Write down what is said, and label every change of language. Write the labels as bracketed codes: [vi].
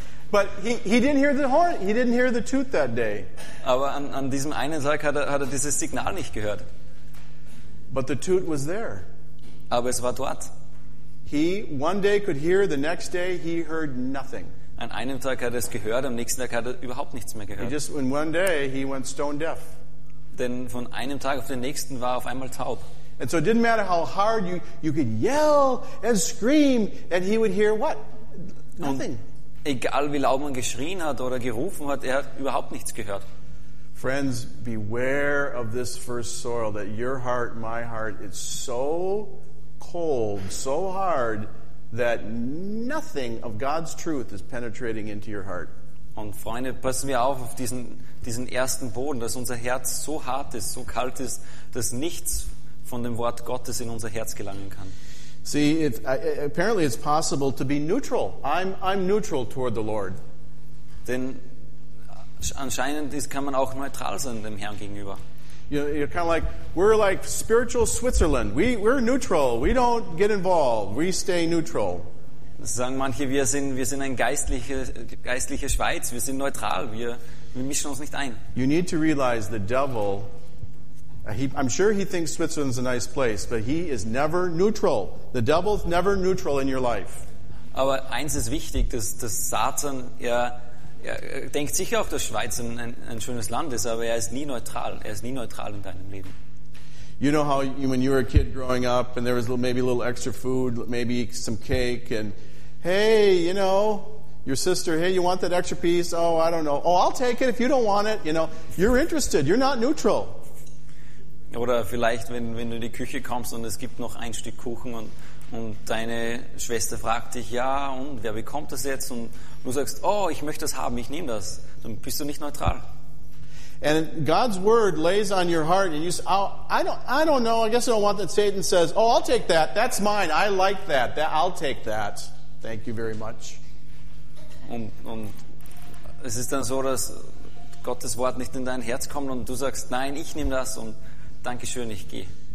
[en] But he didn't hear the horn. He didn't hear the toot that day. [de] Aber an diesem einen Tag hat er dieses Signal nicht gehört. [en] But the toot was there. [de] Aber es war dort. [en] He one day could hear, the next day he heard nothing. [de] An einem Tag hat er es gehört, am nächsten Tag hat er überhaupt nichts mehr gehört. [en] He just in one day he went stone deaf. [de] Denn von einem Tag auf den nächsten war er auf einmal taub. [en] And so it didn't matter how hard you could yell and scream, and he would hear what? Nothing. [de] Egal wie laut man geschrien hat oder gerufen hat, er hat überhaupt nichts gehört. [en] Friends, beware of this first soil, that your heart, my heart, is so cold, so hard, that nothing of God's truth is penetrating into your heart. [de] Und Freunde, passen wir auf diesen ersten Boden, dass unser Herz so hart ist, so kalt ist, dass nichts von dem Wort Gottes in unser Herz gelangen kann. [en] See, apparently it's possible to be neutral. I'm neutral toward the Lord. [de] Denn anscheinend kann man auch neutral sein dem Herrn gegenüber. [en] You know, you're kind of like, we're like spiritual Switzerland. We're neutral. We don't get involved. We stay neutral. [de] Sagen manche, wir sind ein geistliche Schweiz. Wir sind neutral. Wir mischen uns nicht ein. [en] You need to realize the devil, I'm sure he thinks Switzerland's a nice place, but he is never neutral. The devil's never neutral in your life. [de] Aber eins ist wichtig, dass Satan, er denkt sicher auch, dass Schweiz ein schönes Land ist, aber er ist nie neutral. Er ist nie neutral in deinem Leben. [en] You know how when you were a kid growing up and there was maybe a little extra food, maybe some cake, and hey, you know, your sister, hey, you want that extra piece? Oh, I don't know. Oh, I'll take it if you don't want it. You know, you're interested. You're not neutral. [de] Oder vielleicht, wenn du in die Küche kommst und es gibt noch ein Stück Kuchen und deine Schwester fragt dich, ja, und wer bekommt das jetzt? Und du sagst, oh, ich möchte das haben, ich nehme das. Dann bist du nicht neutral. [en] And God's word lays on your heart and you say, oh, I don't know, I guess I don't want that. Satan says, oh, I'll take that, that's mine, I like that, I'll take that. Thank you very much. [de] Und es ist dann so, dass Gottes Wort nicht in dein Herz kommt und du sagst, nein, ich nehme das und danke schön, ich gehe.